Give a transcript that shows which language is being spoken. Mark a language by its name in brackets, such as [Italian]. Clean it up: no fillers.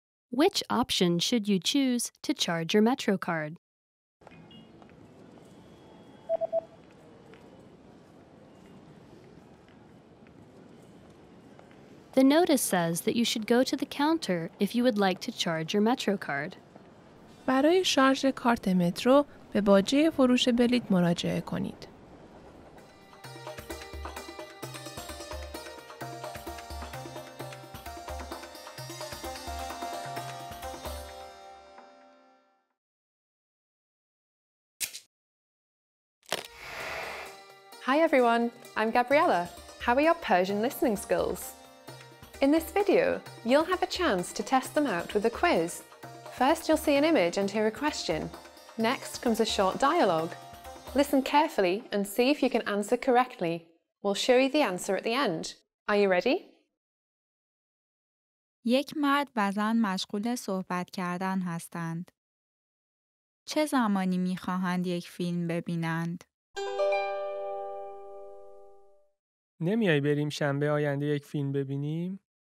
[English] Which option should you choose to charge your Metro card? The notice says that you should go to the counter if you would like to charge your Metro card. [Persian] برای شارژ کارت مترو به باجه فروش بلیط مراجعه کنید. [English] Hi everyone, I'm Gabriella. How are your Persian listening skills? In this video, you'll have a chance to test them out with a quiz. First, you'll see an image and hear a question. Next comes a short dialogue. Listen carefully and see if you can answer correctly. We'll show you the answer at the end. Are you ready? [Persian] یک مرد و زن مشغول صحبت کردن هستند. چه زمانی می‌خواهند یک فیلم ببینند؟ نمی‌آی بریم شنبه آینده یک فیلم ببینیم؟